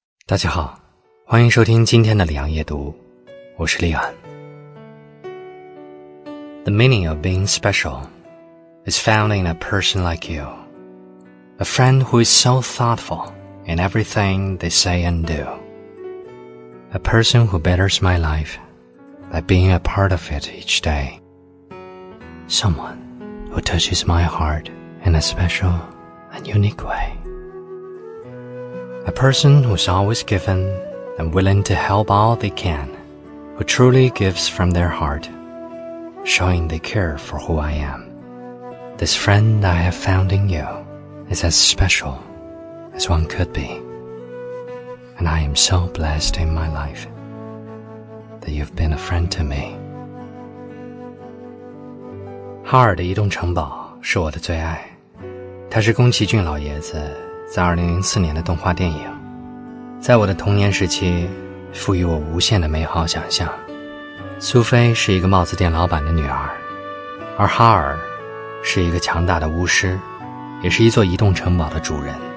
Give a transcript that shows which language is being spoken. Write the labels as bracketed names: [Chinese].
[Chinese] 大家好，欢迎收听今天的李昂夜读，我是李昂。 [English] The meaning of being special is found in a person like you, a friend who is so thoughtful in everything they say and do, a person who betters my life by being a part of it each day, someone who touches my heart in a special and unique way. A person who's always given and willing to help all they can, who truly gives from their heart, showing they care for who I am. This friend I have found in you is as special as one could be. And I am so blessed in my life that you've been a friend to me. [Chinese] 哈尔的移动城堡是我的最爱，它是宫崎骏老爷子在2004年的动画电影，在我的童年时期赋予我无限的美好想象。苏菲是一个帽子店老板的女儿，而哈尔是一个强大的巫师，也是一座移动城堡的主人。